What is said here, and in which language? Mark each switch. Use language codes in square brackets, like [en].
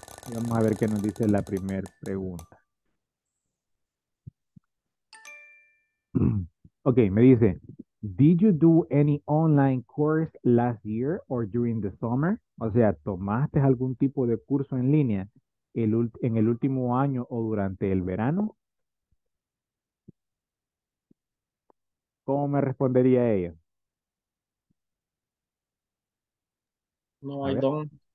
[es] Y vamos a ver qué nos dice la primera pregunta. [en] Ok, [es] me dice, [en] did you do any online course last year or during the summer? [es] O sea, ¿tomaste algún tipo de curso en línea en el último año o durante el verano? ¿Cómo me respondería ella? [en] No, I don't.